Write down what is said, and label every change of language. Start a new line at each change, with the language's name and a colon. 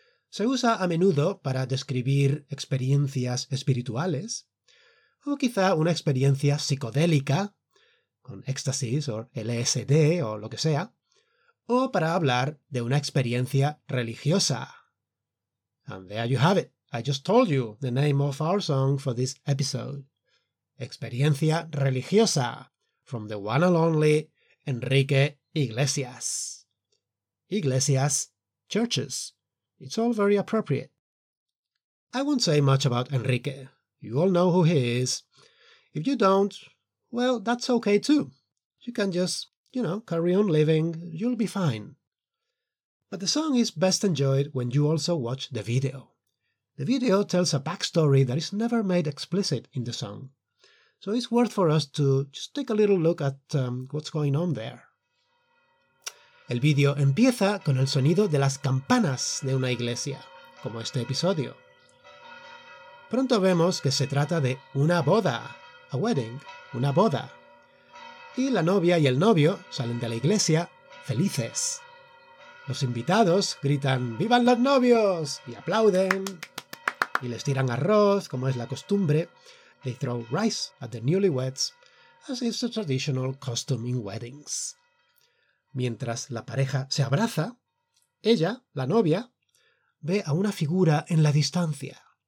Spanish: Se usa a menudo para describir experiencias espirituales, o quizá una experiencia psicodélica, con éxtasis o LSD o lo que sea, o para hablar de una experiencia religiosa.
English: And there you have it. I just told you the name of our song for this episode. Experiencia religiosa, from the one and only Enrique Iglesias. Iglesias, churches. It's all very appropriate. I won't say much about Enrique. You all know who he is. If you don't, well, that's okay too. You can just, you know, carry on living. You'll be fine. But the song is best enjoyed when you also watch the video. The video tells a backstory that is never made explicit in the song, so it's worth for us to just take a little look at what's going on there.
Spanish: El video empieza con el sonido de las campanas de una iglesia, como este episodio. Pronto vemos que se trata de una boda, a wedding, una boda, y la novia y el novio salen de la iglesia felices. Los invitados gritan ¡Vivan los novios! Y aplauden. Y les tiran arroz, como es la costumbre.
English: They throw rice at the newlyweds, as is the traditional custom in weddings.
Spanish: Mientras la pareja se abraza, ella, la novia, ve a una figura en la distancia.